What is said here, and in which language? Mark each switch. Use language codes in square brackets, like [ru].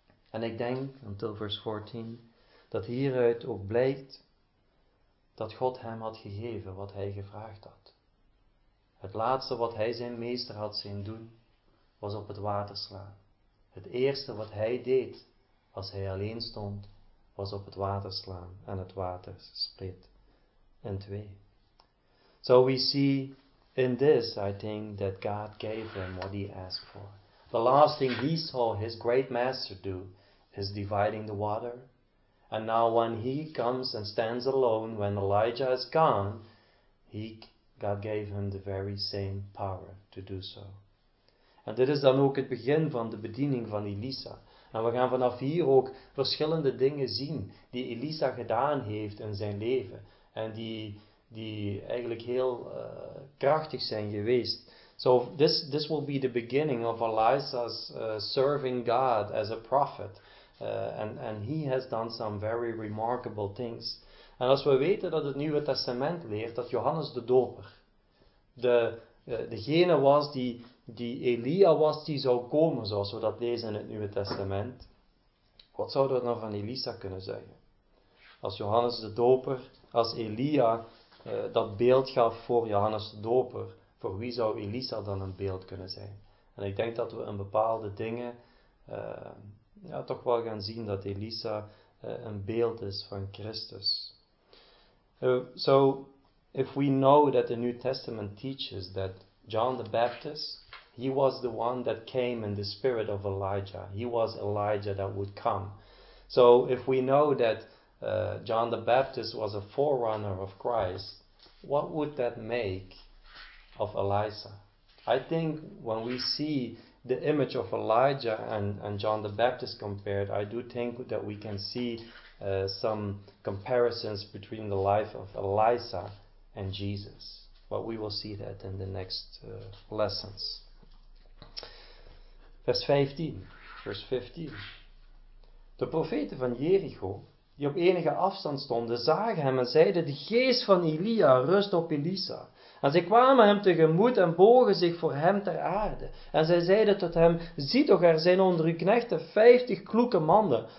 [nl] En ik denk, [en] until verse 14, [nl] dat hieruit ook blijkt dat God hem had gegeven wat hij gevraagd had. Het laatste wat hij zijn meester had zien doen, was op het water slaan. Het eerste wat hij deed, als hij alleen stond, was op het water slaan en het water split in twee. [en] So we see in this, I think, that God gave him what he asked for. The last thing he saw his great master do is dividing the water. And now when he comes and stands alone, when Elijah is gone, God gave him the very same power to do so. [nl] En dit is dan ook het begin van de bediening van Elisa. En we gaan vanaf hier ook verschillende dingen zien die Elisa gedaan heeft in zijn leven. En die eigenlijk heel krachtig zijn geweest. [en] So this will be the beginning of Elisa's serving God as a prophet. And he has done some very remarkable things. [nl] En als we weten dat het Nieuwe Testament leert dat Johannes de Doper degene was die Elia was die zou komen, zoals we dat lezen in het Nieuwe Testament. Wat zouden we dan van Elisa kunnen zeggen? Als Johannes de Doper, als Elia dat beeld gaf voor Johannes de Doper, voor wie zou Elisa dan een beeld kunnen zijn? En ik denk dat we in bepaalde dingen toch wel gaan zien dat Elisa een beeld is van Christus. [en] So, if we know that the New Testament teaches that John the Baptist, he was the one that came in the spirit of Elijah. He was Elijah that would come. So if we know that John the Baptist was a forerunner of Christ, what would that make of Elisha? I think when we see the image of Elijah and John the Baptist compared, I do think that we can see some comparisons between the life of Elisha and Jesus. But we will see that in the next lessons. [nl] Vers 15. De profeten van Jericho, die op enige afstand stonden, zagen hem en zeiden, de geest van Elia rust op Elisa. En zij kwamen hem tegemoet en bogen zich voor hem ter aarde. En zij zeiden tot hem, zie toch, er zijn onder uw knechten 50 kloeke mannen.